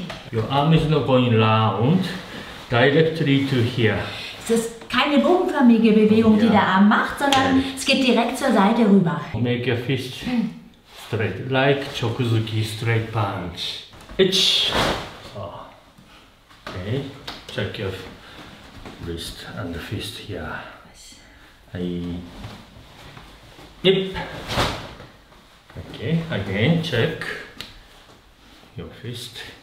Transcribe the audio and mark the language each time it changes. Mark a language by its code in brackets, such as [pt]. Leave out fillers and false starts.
[en] Your arm is not going round directly to here. [de] Es ist keine bogenförmige Bewegung, die der Arm macht, sondern es geht direkt zur Seite rüber. [en] Make your fist straight, like chokuzuki straight punch. Itch! So. Okay, check your wrist and the fist here. Hey. Yep. Okay, again, check your fist.